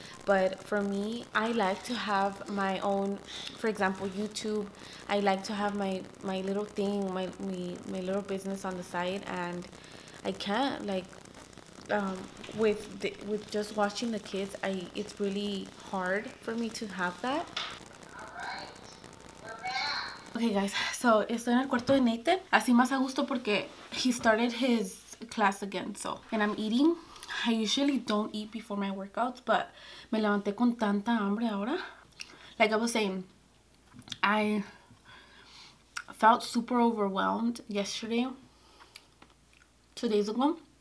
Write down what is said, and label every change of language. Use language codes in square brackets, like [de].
[en] But for me, I like to have my own, for example, YouTube. I like to have my little thing, my little business on the side. And I can't, like... with just watching the kids, it's really hard for me to have that. Okay, guys, so [es] estoy en el cuarto de Nathan. Así más a gusto porque [en] he started his class again. So, and I'm eating. I usually don't eat before my workouts, but [es] me levanté con tanta hambre ahora. [en] Like I was saying, I felt super overwhelmed yesterday, 2 days ago.